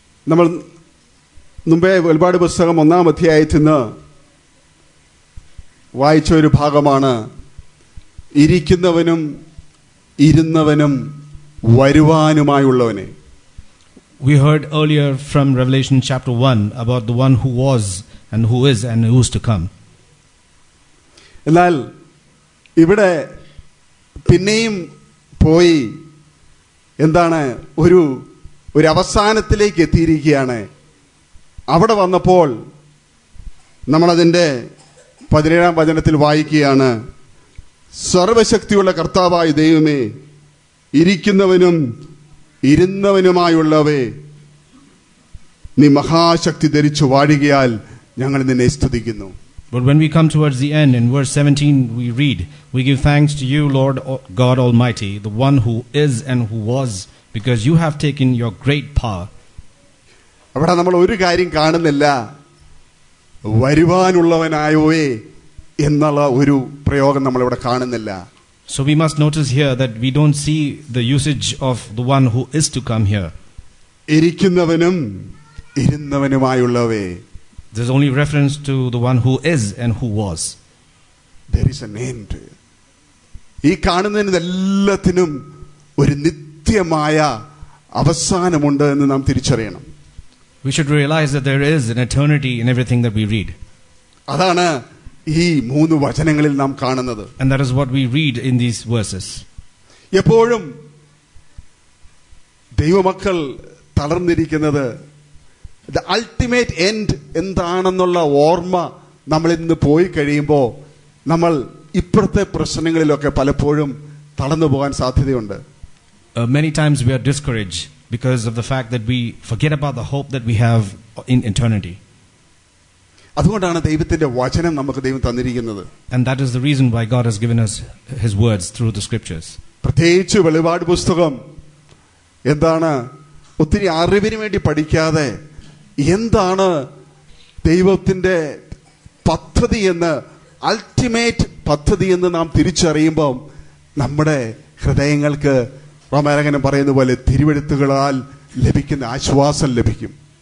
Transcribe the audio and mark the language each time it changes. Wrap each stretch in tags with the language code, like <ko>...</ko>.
<ml>നമ്മൾ മുമ്പേ ഒരുപാട് പുസ്തകം 1-ാം അധ്യായത്തിൽ നിന്ന് വായിച്ച ഒരു ഭാഗമാണ്, ഇരിക്കുന്നവനും ഇരുന്നവനും വരുവാനുമായുള്ളവനെ.</ml> <en>We heard earlier from Revelation chapter 1 about the one who was and who is and who is to come.</en> <ml>എന്നാൽ ഇവിടെ പിന്നെയും പോയി എന്താണ് ഒരു അവസാനത്തിലേക്ക് എത്തിയിരിക്കുകയാണ്. അവിടെ വന്നപ്പോൾ നമ്മളതിൻ്റെ 17-ാം വചനത്തിൽ വായിക്കുകയാണ്, സർവശക്തിയുള്ള കർത്താവായ ദൈവമേ, ഇരിക്കുന്നവനും ഇരുന്നവനുമായുള്ളവേ, നീ മഹാശക്തി ധരിച്ചു വാഴുകയാൽ ഞങ്ങൾ നിന്നെ സ്തുതിക്കുന്നു.</ml> <en>But when we come towards the end, in verse 17, we read, "We give thanks to you, Lord God Almighty, the one who is and who was, because you have taken your great power."</en> <ml>അവിടെ നമ്മൾ ഒരു കാര്യം കാണുന്നില്ല, വരുവാനുള്ളവനായോവേ എന്നുള്ള ഒരു പ്രയോഗം നമ്മൾ ഇവിടെ കാണുന്നില്ല.</ml> <en>So we must notice here that we don't see the usage of the one who is to come here.</en> <ml>ഇരിക്കുന്നവനും ഇരുന്നവനുമായുള്ളവേ.</ml> <en>There's only reference to the one who is and who was. There is an end.</en> <ml>ഈ കാണുന്നതിനെല്ലാത്തിനും ഒരു നിത്യമായ അവസാനമുണ്ട് എന്ന് നാം തിരിച്ചറിയണം.</ml> <en>We should realize that there is an eternity in everything that we read.</en> <ml>അതാണ് ഈ മൂന്ന് വചനങ്ങളിൽ നാം കാണുന്നത്.</ml> <en>And that is what we read in these verses.</en> <ml>എപ്പോഴും ദൈവമക്കൾ തളർന്നിരിക്കുന്നത്</ml> <en>the ultimate end</en> <ml>എന്താണെന്നുള്ള ഓർമ്മ നമ്മൾ ഇന്ന് പോയി കഴിയുമ്പോൾ നമ്മൾ ഇപ്പോഴത്തെ പ്രശ്നങ്ങളിലൊക്കെ പലപ്പോഴും തളർന്നു പോകാൻ സാധ്യതയുണ്ട്.</ml> <en>Many times we are discouraged because of the fact that we forget about the hope that we have in eternity.</en> <ml>അതുകൊണ്ടാണ് ദൈവത്തിന്റെ വചനം നമുക്ക് ദൈവം തന്നിരിക്കുന്നത്.</ml> <en>And that is the reason why God has given us his words through the scriptures.</en> <ml>പ്രത്യേകിച്ച് വെളിപാട് പുസ്തകം എന്താണ് ഒത്തിരി അറിവിന് വേണ്ടി പഠിക്കാതെ എന്താണ് ദൈവത്തിന്റെ പദ്ധതി എന്ന് അൾട്ടിമേറ്റ് പദ്ധതി എന്ന് നാം തിരിച്ചറിയുമ്പം നമ്മുടെ ഹൃദയങ്ങൾക്ക് റോമാലേഖനം പറയുന്ന പോലെ തിരുവെഴുത്തുകളാൽ ലഭിക്കുന്ന ആശ്വാസം ലഭിക്കും.</ml>